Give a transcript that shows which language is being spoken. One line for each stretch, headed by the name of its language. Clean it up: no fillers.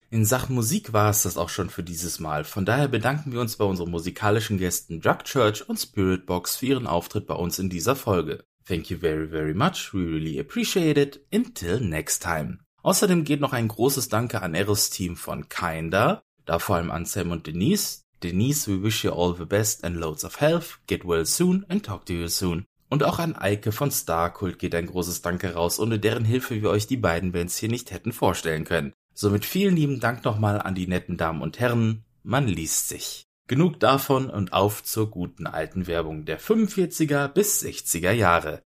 German: In Sachen Musik war es das auch schon für dieses Mal. Von daher bedanken wir uns bei unseren musikalischen Gästen Drug Church und Spirit Box für ihren Auftritt bei uns in dieser Folge.
English: Thank you very, very much. We really appreciate it. Until next time.
German: Außerdem geht noch ein großes Danke an Eros Team von Kinda, da vor allem an Sam und Denise.
English: Denise, we wish you all the best and loads of health. Get well soon and talk to you soon.
German: Und auch an Eike von Starkult geht ein großes Danke raus, ohne deren Hilfe wir euch die beiden Bands hier nicht hätten vorstellen können. Somit vielen lieben Dank nochmal an die netten Damen und Herren. Man liest sich. Genug davon und auf zur guten alten Werbung der 45er bis 60er Jahre.